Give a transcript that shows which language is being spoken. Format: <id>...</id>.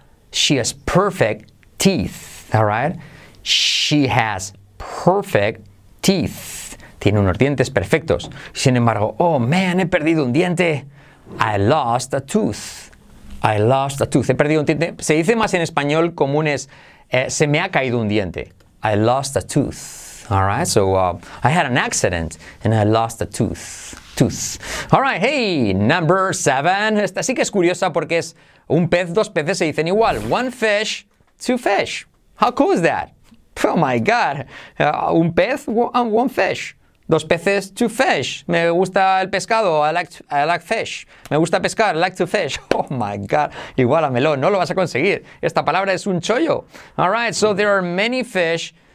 <en>She has perfect teeth. All right? She has perfect teeth.</en> <es>Tiene unos dientes perfectos. Sin embargo, oh man, he perdido un diente.</es> <en>I lost a tooth. I lost a tooth.</en> <es>He perdido un diente. Se dice más en español común es, se me ha caído un diente.</es> <en>I lost a tooth. All right, so I had an accident and I lost a tooth. All right, hey, number 7.</en> <es>Esta sí que es curiosa porque es un pez, dos peces se dicen igual.</es> <en>One fish, two fish. How cool is that? Oh my God.</en> <es>Un pez,</es> <en>one fish.</en> <es>Dos peces,</es> <en>two fish.</en> <es>Me gusta el pescado,</es> <en>I like fish.</en> <es>Me gusta pescar,</es> <en>I like to fish. Oh my God.</en> <es>Igual a melón, no lo vas a conseguir. Esta palabra es un chollo.</es> <en>All right, so there are many fish.</en>